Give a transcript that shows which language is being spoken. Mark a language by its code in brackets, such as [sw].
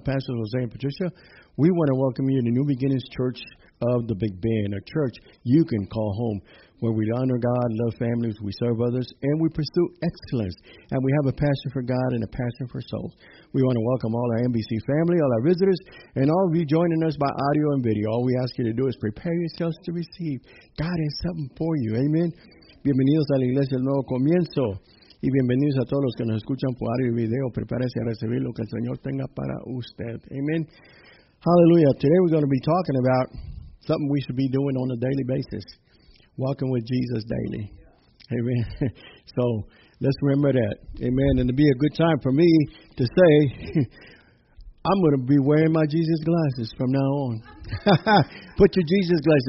[en] Pastor Jose and Patricia, we want to welcome you to New Beginnings Church of the Big Bend, a church you can call home, where we honor God, love families, we serve others, and we pursue excellence. And we have a passion for God and a passion for souls. We want to welcome all our NBC family, all our visitors, and all of you joining us by audio and video. All we ask you to do is prepare yourselves to receive. God has something for you. Amen. [es] Bienvenidos a la Iglesia del Nuevo Comienzo. Y bienvenidos a todos los que nos escuchan por audio y video. Prepárense a recibir lo que el Señor tenga para usted. [en] Amen. Hallelujah. Today we're going to be talking about something we should be doing on a daily basis. Walking with Jesus daily. Amen. So, let's remember that. Amen. And it'd be a good time for me to say, I'm going to be wearing my Jesus glasses from now on. Put your Jesus glasses.